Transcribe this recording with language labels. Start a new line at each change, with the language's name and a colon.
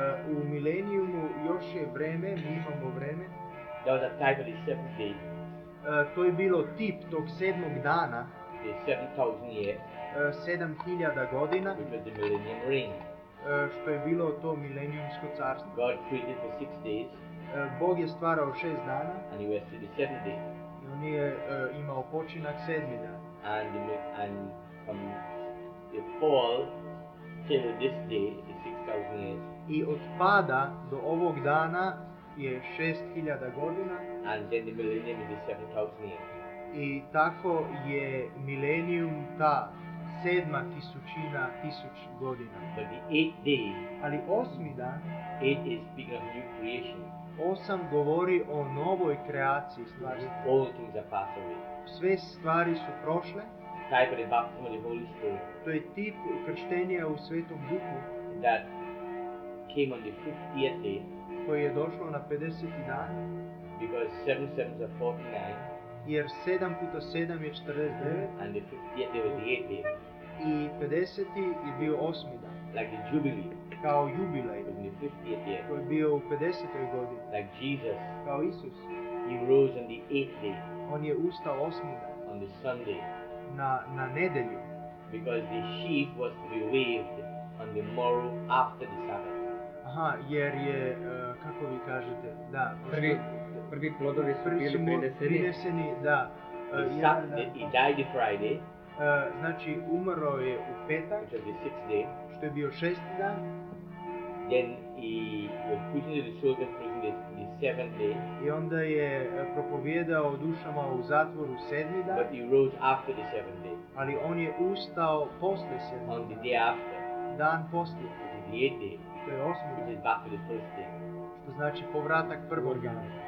Serbian: U milenijumu još je vreme, mi imamo vreme.
English: That was a type of the seventh day.
Serbian: To je bilo tip tog sedmog dana.
English: The 7000 years.
Serbian: 7000 godina.
English: Which was the millennium ring.
Serbian: Što je bilo to milenijumsko carstvo.
English: God created for 6 days.
Serbian: Bog je stvarao 6 dana.
English: And he rested the seventh day.
Serbian: I on je imao počinak sedmi dan.
English: And from the fall till this day is 6000 years.
Serbian: I od pada do ovog dana je 6000 godina.
English: And then the millennium is 7000 years.
Serbian: I tako je milenijum ta sedma tisućina tisuć godina.
English: But the eighth day.
Serbian: Ali osmi dan.
English: Eight is speaking of new creation.
Serbian: Osam govori o novoj kreaciji stvari.
English: All things are passed away.
Serbian: Sve stvari su prošle.
English: Type of the baptism of the Holy Spirit.
Serbian: To je tip krštenja u Svetom Duhu.
English: That came on the 50th day.
Serbian: Koje je došlo na 50. dan.
English: Because 7 sevens are 49.
Serbian: Jer 7 puta 7 je 49.
English: And the 50th day was the 8th day.
Serbian: I 50. je bio 8. dan.
English: Like the jubilee.
Serbian: Kao jubilej.
English: In the 50th year.
Serbian: Koji je bio u 50. godini.
English: Like Jesus.
Serbian: Kao Isus.
English: He rose on the 8th day.
Serbian: On je ustao 8. dan.
English: On the Sunday.
Serbian: Na nedelju.
English: Because the sheaf was to be waved on the morrow after the Sabbath.
Serbian: Aha, jer je, kako vi kažete, da. Prvi plodovi su bili prineseni, da.
English: He died on Friday.
Serbian: Znači umro je u petak,
English: which was the sixth day.
Serbian: Što je bio šesti dan.
English: Then he was put into the children's prison the seventh day.
Serbian: I onda je propovijedao o dušama u zatvoru sedmi dan.
English: But he rose after the seventh day.
Serbian: Ali on je ustao posle sedmi dan.
English: On the day after.
Serbian: Dan posle.
English: Which is the eighth day.
Serbian: Što je osmi dan.
English: Which is back to the first day.
Serbian: Što znači povratak prvog dana.